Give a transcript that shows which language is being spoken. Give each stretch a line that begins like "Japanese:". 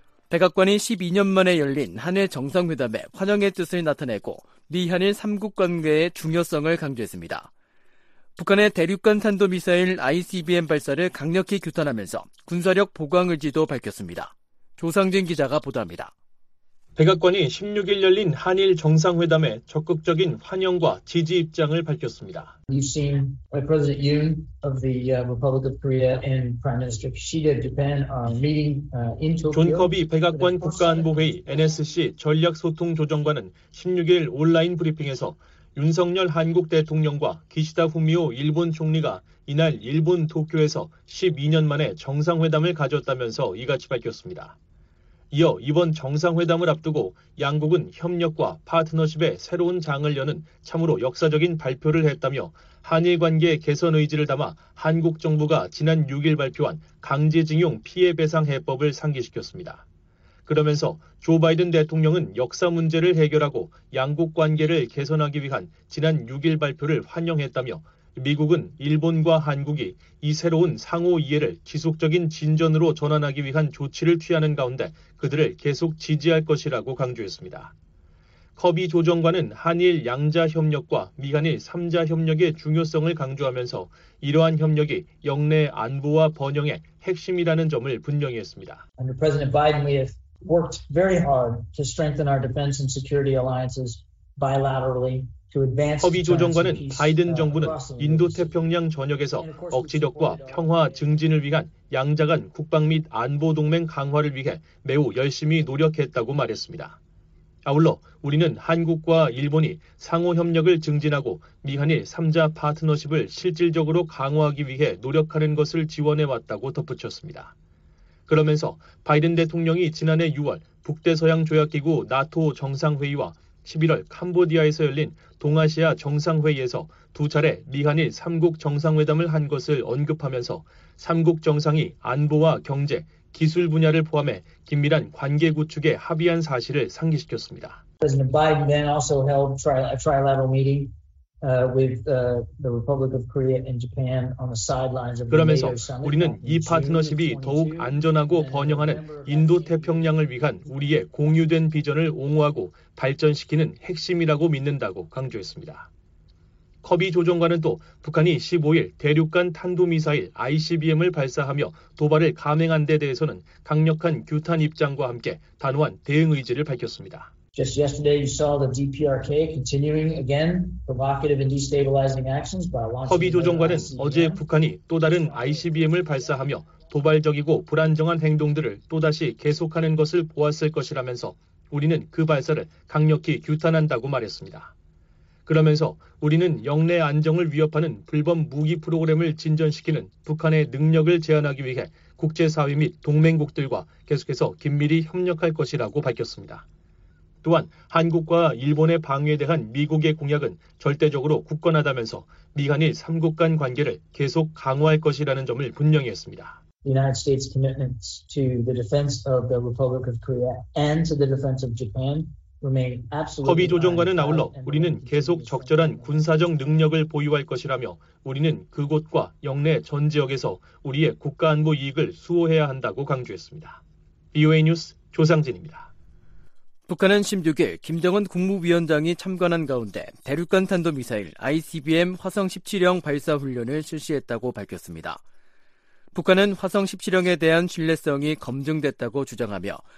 Korean: 백악관이 12년 만에 열린 한일 정상회담에 환영의 뜻을 나타내고 미한일 3국 관계의 중요성을 강조했습니다. 북한의 대륙간 탄도미사일 ICBM 발사를 강력히 규탄하면서 군사력 보강 의지도 밝혔습니다. 조상진 기자가 보도합니다. 백악관이 16일 열린 한일 정상회담에 적극적인 환영과 지지 입장을 밝혔습니다.
English: You've seen President Yoon of the Republic of Korea and Prime Minister Kishida of Japan meeting in Tokyo.
Korean: 존 커비 백악관 국가안보회의 NSC 전략소통조정관은 16일 온라인 브리핑에서 윤석열 한국 대통령과 기시다 후미오 일본 총리가 이날 일본 도쿄에서 12년 만에 정상회담을 가졌다면서 이같이 밝혔습니다. 이어 이번 정상회담을 앞두고 양국은 협력과 파트너십의 새로운 장을 여는 참으로 역사적인 발표를 했다며 한일 관계 개선 의지를 담아 한국 정부가 지난 6일 발표한 강제징용 피해배상 해법을 상기시켰습니다. 그러면서 조 바이든 대통령은 역사 문제를 해결하고 양국 관계를 개선하기 위한 지난 6일 발표를 환영했다며 미국은 일본과 한국이 이 새로운 상호 이해를 지속적인 진전으로 전환하기 위한 조치를 취하는 가운데 그들을 계속 지지할 것이라고 강조했습니다. 커비 조정관은 한일 양자 협력과 미한일 3자 협력의 중요성을 강조하면서 이러한 협력이 역내 안보와 번영의 핵심이라는 점을 분명히 했습니다.
English: Under President Biden, we have worked very hard to strengthen our defense and security alliances bilaterally.
Korean: 커비 조정관은 바이든 정부는 인도태평양 전역에서 억지력과 평화 증진을 위한 양자 간 국방 및 안보 동맹 강화를 위해 매우 열심히 노력했다고 말했습니다. 아울러 우리는 한국과 일본이 상호 협력을 증진하고 미한일 3자 파트너십을 실질적으로 강화하기 위해 노력하는 것을 지원해왔다고 덧붙였습니다. 그러면서 바이든 대통령이 지난해 6월 북대서양 조약기구 나토 정상회의와 11월 캄보디아에서 열린 동아시아 정상회의에서 두 차례 미한일 3국 정상회담을 한 것을 언급하면서 3국 정상이 안보와 경제, 기술 분야를 포함해 긴밀한 관계 구축에 합의한 사실을 상기시켰습니다.
English: President Biden then also held a trilateral meeting with the Republic of Korea and Japan on the sidelines of the
Korean: 그러면서 우리는 이 파트너십이 더욱 안전하고 번영하는 인도 태평양을 위한 우리의 공유된 비전을 옹호하고 발전시키는 핵심이라고 믿는다고 강조했습니다. 커비 조정관은 또 북한이 15일 대륙간 탄도미사일 ICBM을 발사하며 도발을 감행한 데 대해서는 강력한 규탄 입장과 함께 단호한 대응 의지를 밝혔습니다.
English: Just yesterday you saw the DPRK continuing again provocative and destabilizing actions by launching
Korean: 커비 조정관은 어제 북한이 또 다른 ICBM을 발사하며 도발적이고 불안정한 행동들을 또다시 계속하는 것을 보았을 것이라면서 우리는 그 발사를 강력히 규탄한다고 말했습니다. 그러면서 우리는 영내 안정을 위협하는 불법 무기 프로그램을 진전시키는 북한의 능력을 제한하기 위해 국제사회 및 동맹국들과 계속해서 긴밀히 협력할 것이라고 밝혔습니다. 또한 한국과 일본의 방위에 대한 미국의 공약은 절대적으로 굳건하다면서 미한일 3국 간 관계를 계속 강화할 것이라는 점을 분명히 했습니다.
English: United States commitments to the defense of the Republic of Korea and to the defense of Japan.
Korean: 커비 조정관은 아울러 우리는 계속 적절한 군사적 능력을 보유할 것이라며 우리는 그곳과 영내 전 지역에서 우리의 국가안보 이익을 수호해야 한다고 강조했습니다. BOA 뉴스 조상진입니다. 북한은 16일 김정은 국무위원장이 참관한 가운데 대륙간 탄도미사일 ICBM 화성 17형 발사 훈련을 실시했다고 밝혔습니다. 북한은 화성 17형에 대한 신뢰성이 검증됐다고 주장하며